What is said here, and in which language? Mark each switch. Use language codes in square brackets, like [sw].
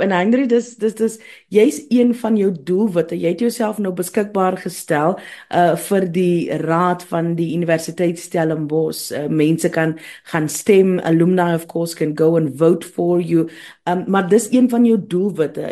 [af] En Henry, dis jy's een van jou doelwitte. Jy het jouself nou beskikbaar gestel vir die raad van die Universiteit Stellenbosch. [en] Mense kan gaan stem, alumni of course can go and vote for you. [af] Maar dis een van jou doelwitte.